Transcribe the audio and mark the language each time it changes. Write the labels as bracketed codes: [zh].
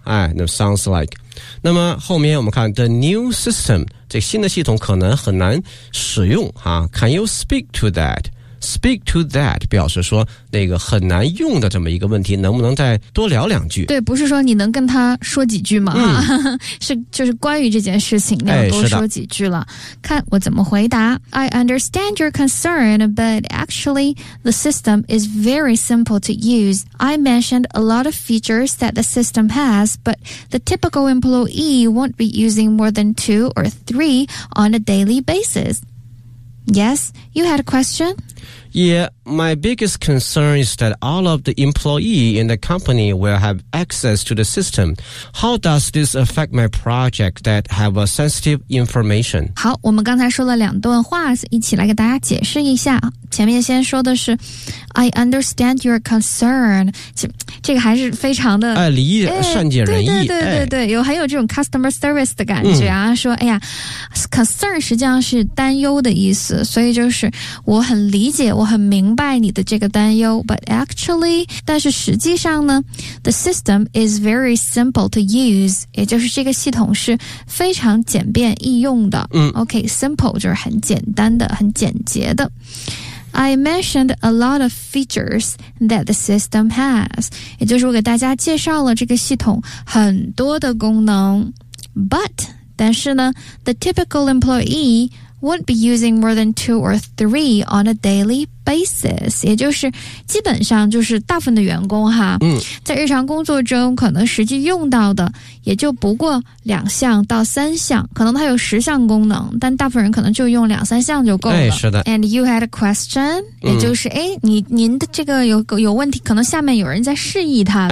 [zh] 那 [en] sounds like。 [zh] 那么后面我们看 [en] the new system， [zh] 这新的系统可能很难使用哈。 [en] Can you speak to that？ speak to that [zh] 表示说那个很难用的这么一个问题，能不能再多聊两句？对，不是说你能跟他说几句吗？嗯、是，就是关于这件事情要多说几句了、哎。看我怎么回答。 [en] I understand your concern, but actually the system is very simple to use. I mentioned a lot of features that the system has, but the typical employee won't be using more than 2 or 3 on a daily basis. Yes, you had a question? Yeah, my biggest concern is that all of the employees in the company will have access to the system. How does this affect my project that have a sensitive information? [zh] 好，我们刚才说了两段话，一起来给大家解释一下。前面先说的是 [en] I understand your concern， [zh] 这个还是非常的哎，礼义善解人意，对对对 对、哎、有很有这种 customer service 的感觉啊、嗯、说哎呀 concern 实际上是担忧的意思，所以就是我很理解，我很明白你的这个担忧， [en] but actually [zh] 但是实际上呢 [en] the system is very simple to use， [zh] 也就是这个系统是非常简便易用的、嗯、 OK simple 就是很简单的很简洁的。 [en] I mentioned a lot of features that the system has. [zh] 也就是我给大家介绍了这个系统很多的功能。 [en] But, [zh] 但是呢 [en] the typical employee won't be using more than 2 or 3 on a daily basis. [zh] 也就是基本上就是大部分的员工哈、嗯、在日常工作中可能实际用到的也就不过2项到3项，可能它有10项功能，但大部分人可能就用2、3项就够了。哎、是的。 [en] And you had a question,、 [zh] 嗯、也就是哎你您的这个有问题，可能下面有人在示意他、